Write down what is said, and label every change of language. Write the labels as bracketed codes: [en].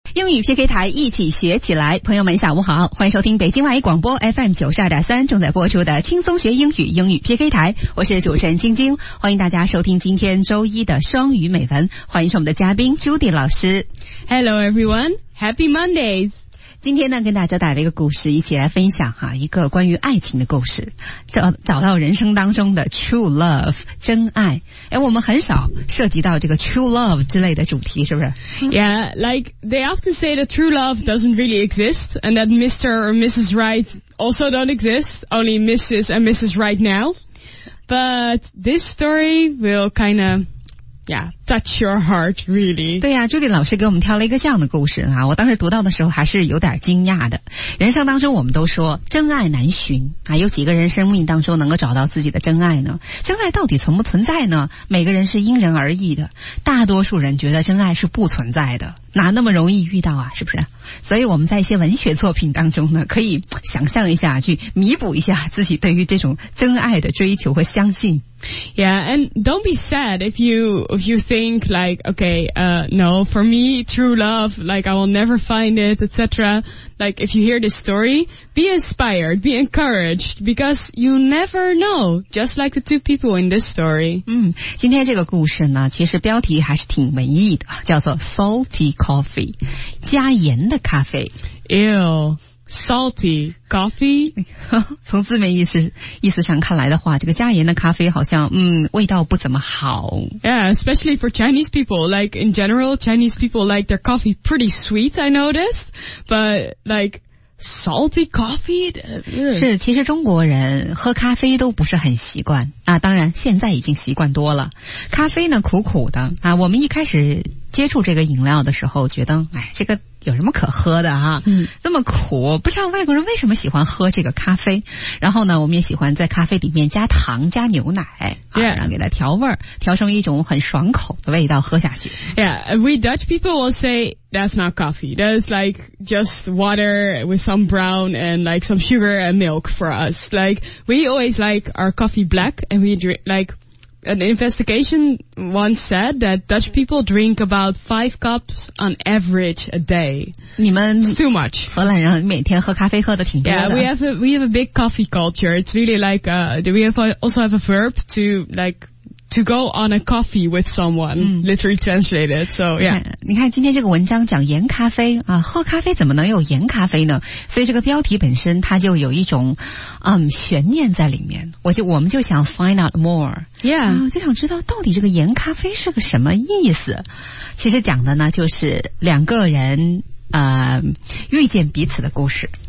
[zh] 英语 PK 台一起学起来，朋友们下午好，欢迎收听北京外语广播 FM92.3 正在播出的轻松学英语英语 PK 台，我是主持人晶晶，欢迎大家收听今天周一的双语美文，欢迎是我们的嘉宾 Judy 老师。 [en] Hello everyone, Happy Mondays! [zh] 今天呢跟大家带来一个故事一起来分享哈、一个关于爱情的故事，找到人生当中的 true love, 真爱。诶，我们很少涉及到这个 true love 之类的主题，是不是？ [en] Yeah, like they often say that true love doesn't really exist and that Mr. or Mrs. Right also don't exist, only Mrs. and Mrs. Right now. But this story will kind ofYeah, touch your heart, really. [zh] 对呀、朱迪老师给我们挑了一个这样的故事啊，我当时读到的时候还是有点惊讶的。人生当中我们都说真爱难寻啊，有几个人生命当中能够找到自己的真爱呢？真爱到底存不存在呢？每个人是因人而异的，大多数人觉得真爱是不存在的，哪那么容易遇到啊，是不是？所以我们在一些文学作品当中呢，可以想象一下，去弥补一下自己对于这种真爱的追求和相信。 [en] Yeah, and don't be sad if you think like, okay, no, for me, true love, like I will never find it, etc. Like if you hear this story, be inspired, be encouraged, because you never know, just like the two people in this story. [zh] 嗯，今天这个故事呢，其实标题还是挺文艺的，叫做 Salty Coffee, 加盐的咖啡。 [en] Ew. Salty coffee? [zh] 从字面意思上看来的话，这个加盐的咖啡好像味道不怎么好。 [en] Yeah, especially for Chinese people. Like, in general, Chinese people like their coffee pretty sweet, I noticed. But, like, salty coffee? [zh] 是，其实中国人喝咖啡都不是很习惯。啊，当然，现在已经习惯多了。咖啡呢，苦苦的。啊，我们一开始接触这个饮料的时候觉得，哎，这个有什么可喝的哈、那么苦，不知道外国人为什么喜欢喝这个咖啡。然后呢，我们也喜欢在咖啡里面加糖加牛奶、 [en] yeah. [zh] 然后给它调味，调成一种很爽口的味道喝下去。 [en] Yeah, we Dutch people will say that's not coffee, that's like just water with some brown and like some sugar and milk for us. Like we always like our coffee black, and we drink likeAn investigation once said that Dutch people drink about 5 cups on average a day. [zh] 你们 [en] It's too much. [zh] 荷兰人每天喝咖啡喝得挺多的。 [en] Yeah, we have a big coffee culture. It's really like, we also have a verb to like... To go on a coffee with someone, literally translated. So, yeah. [zh] 你看今天这个文章讲盐咖啡啊，喝咖啡怎么能有盐咖啡呢？所以这个标题本身它就有一种，悬念在里面。我们就想 [en] find out more. Yeah. [zh] 就想知道到底这个盐咖啡是个什么意思。其实讲的呢就是两个人，遇见彼此的故事。